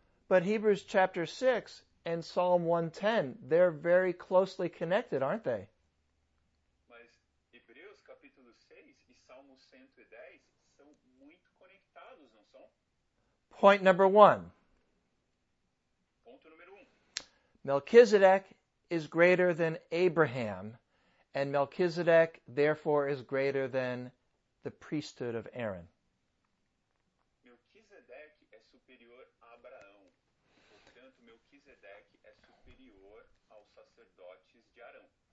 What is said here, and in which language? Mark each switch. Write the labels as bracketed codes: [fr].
[en] But Hebrews chapter 6 and Psalm 110, they're very closely connected, aren't they? [pt] Mas Hebreus capítulo 6 e Salmo 110 são muito conectados, não são? [en] Point number one. [pt] Ponto número 1. [en] Melchizedek is greater than Abraham, and Melchizedek, therefore, is greater than the priesthood of Aaron. [pt] Melchizedek é superior a Abraão. Portanto, Melchizedek é superior aos sacerdotes de Arão.